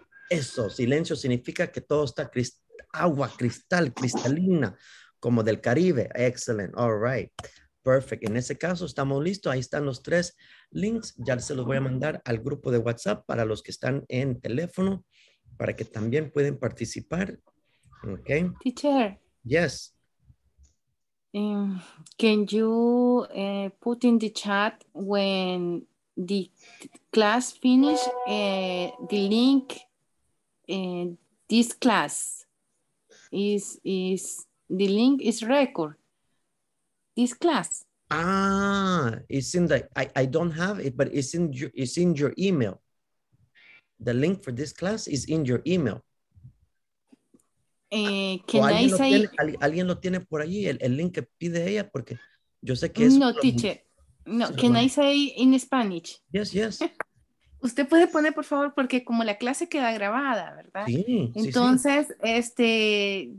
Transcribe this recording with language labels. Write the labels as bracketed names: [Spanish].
[Spanish] Eso, silencio, significa que todo está cristalina, como del Caribe. [English] Excellent, all right. Perfect, [Spanish] en ese caso estamos listos. Ahí están los tres links. Ya se los voy a mandar al grupo de WhatsApp para los que están en teléfono, para que también pueden participar. Ok. [English] Teacher. Yes. Can you put in the chat when the class finish the link this class is the link is record this class it's in the I don't have it but it's in your email. The link for this class is in your email. [Spanish] ¿Alguien lo tiene por allí, el link que pide ella? Porque yo sé que es... [English] No, teacher. No, so can I say in Spanish? Yes, yes. [Spanish] Usted puede poner, por favor, porque como la clase queda grabada, ¿verdad? Sí, entonces, sí.